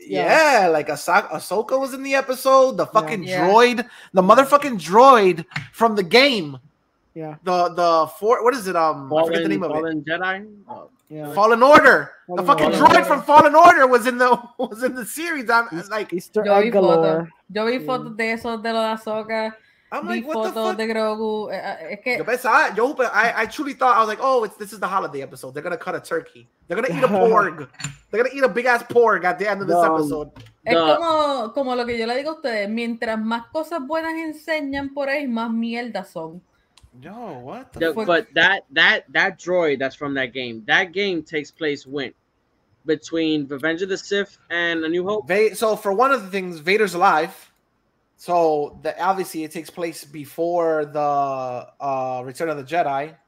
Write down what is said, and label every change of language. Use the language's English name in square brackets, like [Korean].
[English] Yeah, like Ahsoka was in the episode. The fucking droid. The motherfucking droid from the game. Yeah. The four, what is it? Fallen, I forget the name of Fallen it. Jedi? Yeah. Fallen Order. The fucking droid from Fallen Order was in the series. I'm like, Easter egg galore. [Spanish] Yo vi fotos de eso de lo de Ahsoka. [English] I'm like, what the fuck? [Spanish] De Grogu. [English] I truly thought, I was like, oh, this is the holiday episode. They're going to cut a turkey. They're going to eat a pork. They're going to eat a big-ass pork at the end of this episode. [Spanish] Es como lo que yo le digo a ustedes. Mientras más cosas buenas enseñan por ahí, más mierda son. [English] Yo, what the fuck? But that droid that's from that game takes place when? Between Revenge of the Sith and A New Hope? So for one of the things, Vader's alive. So obviously it takes place before the Return of the Jedi.